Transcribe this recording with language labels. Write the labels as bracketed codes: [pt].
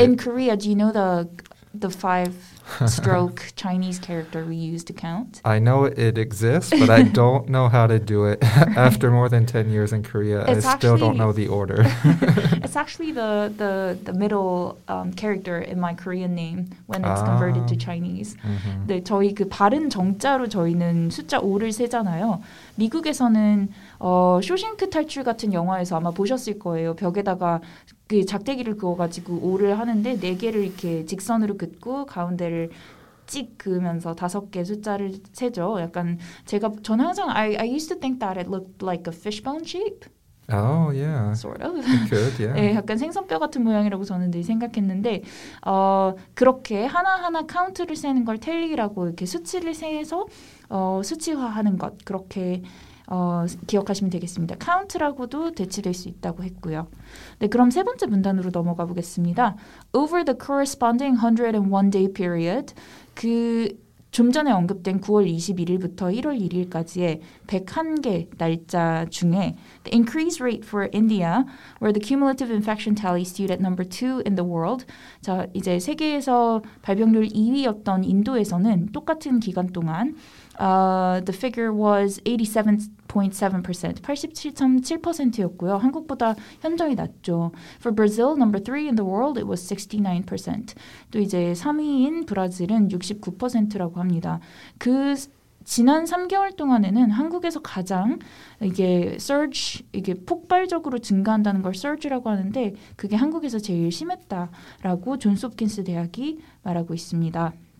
[en] In Korea, do you know the five-stroke Chinese character we use to count? I know it exists, but I don't know how to do it. After more than 10 years in Korea, I still don't know the order. It's actually the middle character in my Korean name when it's converted to Chinese. Mm-hmm. [ko] 네, 저희 그 바른 정자로 저희는 숫자 5를 세잖아요. 미국에서는 쇼싱크 탈출 같은 영화에서 아마 보셨을 거예요. 벽에다가 그 작대기를 그어가지고 5를 하는데 네 개를 이렇게 직선으로 긋고 가운데를 찍 그으면서 다섯 개 숫자를 세죠. 약간 제가 전 항상 [en] I used to think that it looked like a fishbone shape. Oh yeah. Sort of. It could, yeah. [ko] 네, 약간 생선뼈 같은 모양이라고 저는 늘 생각했는데 그렇게 하나하나 카운트를 세는 걸 텔리라고 이렇게 수치를 세서 수치화하는 것 그렇게 기억하시면 되겠습니다. 카운트라고도 대체될 수 있다고 했고요. 네, 그럼 세 번째 문단으로 넘어가 보겠습니다. [en] Over the corresponding 101-day period, [ko] 그 좀 전에 언급된 9월 21일부터 1월 1일까지의 101개 날짜 중에 [en] the increase rate for India, where the cumulative infection tally stood at number 2 in the world. [ko] 자, 이제 세계에서 발병률 2위였던 인도에서는 똑같은 기간 동안 [en] the figure was 87.7%, [ko] 87.7%였고요. 한국보다 현저히 낮죠. [en] For Brazil, number 3 in the world, it was 69%. [ko] 또 이제 3위인 브라질은 69%라고 합니다. 그 지난 3개월 동안에는 한국에서 가장 이게 surge, 이게 폭발적으로 증가한다는 걸 surge라고 하는데 그게 한국에서 제일 심했다라고 존스 홉킨스 대학이 말하고 있습니다.